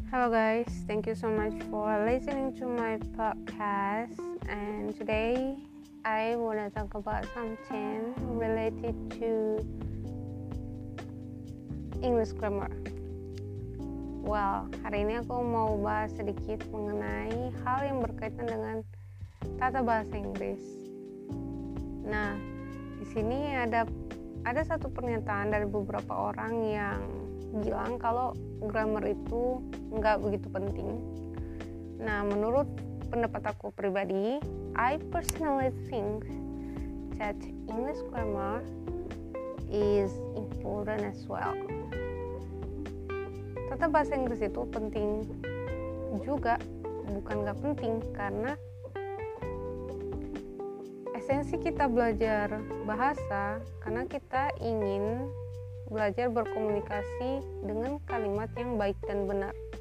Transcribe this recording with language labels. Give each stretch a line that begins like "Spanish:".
English: guys, thank you so much for listening to my podcast. And today I want to talk about something related to English grammar.
Indonesian: Well, hari ini aku mau bahas sedikit mengenai hal yang berkaitan dengan tata bahasa Inggris. Nah, di sini ada satu pernyataan dari beberapa orang yang bilang kalau grammar itu nggak begitu penting. Nah, menurut pendapat aku pribadi,
English: I personally think that English grammar is important as well.
Indonesian: Tata bahasa Inggris itu penting juga, bukan nggak penting, karena esensi kita belajar bahasa karena kita ingin belajar berkomunikasi dengan kalimat yang baik dan benar.